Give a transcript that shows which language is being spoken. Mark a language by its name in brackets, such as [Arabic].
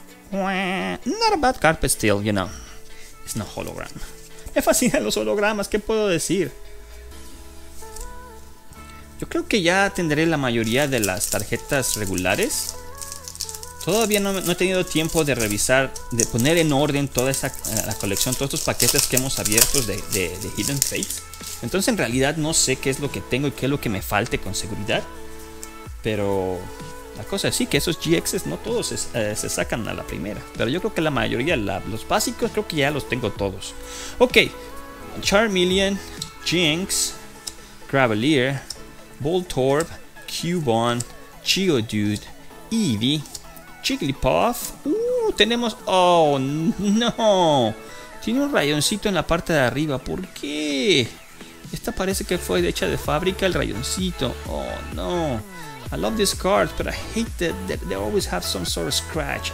[English] Not a bad card, but still, you know, it's not hologram. [Spanish] Me fascinan los hologramas, ¿qué puedo decir? Yo creo que ya tendré la mayoría de las tarjetas regulares. Todavía no he tenido tiempo de revisar, de poner en orden toda esa la colección, todos estos paquetes que hemos abierto de Hidden Fate. Entonces en realidad no sé qué es lo que tengo y qué es lo que me falte con seguridad. Pero la cosa es sí, que esos GXs no todos se sacan a la primera. Pero yo creo que la mayoría, los básicos, creo que ya los tengo todos. Ok, Charmeleon, Jinx, Gravelier, Voltorb, Cubone, Geodude, Eevee, Jigglypuff. Tenemos... ¡Oh, no! Tiene un rayoncito en la parte de arriba. ¿Por qué? Esta parece que fue hecha de fábrica, el rayoncito. ¡Oh, no! [English] I love these cards, but I hate that they always have some sort of scratch.